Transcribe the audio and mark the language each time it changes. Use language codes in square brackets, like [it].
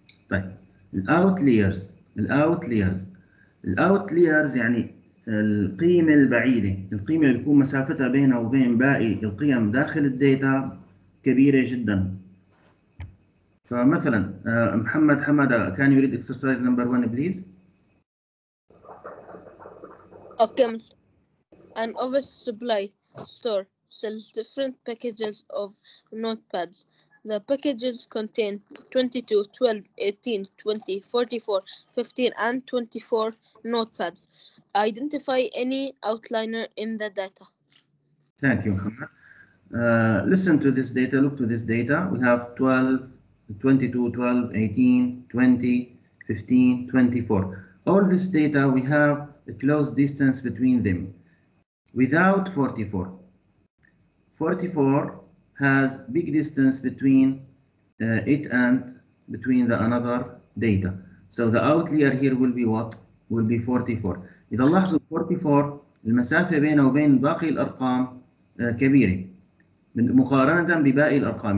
[ar] طيب الأوتليرز الأوتليرز الأوتليرز يعني القيمة البعيدة، القيمة اللي بيكون مسافتها بينها وبين باقي القيم داخل الداتا كبيرة جدا. فمثلا محمد حمادة كان يريد [en] exercise number one please. Okay, an office supply store sells different packages of notepads. The packages contain 22, 12, 18, 20, 44, 15, and 24 notepads. Identify any outliner in the data. Thank you. Listen to this data. Look to this data. We have 12, 22, 12, 18, 20, 15, 24. All this data we have a close distance between them without 44. 44 has big distance between it and between the another data. So the outlier here will be what? Will be 44. [ar] إذا لاحظوا 44 المسافة بينه وبين باقي الأرقام كبيرة مقارنة بباقي الأرقام.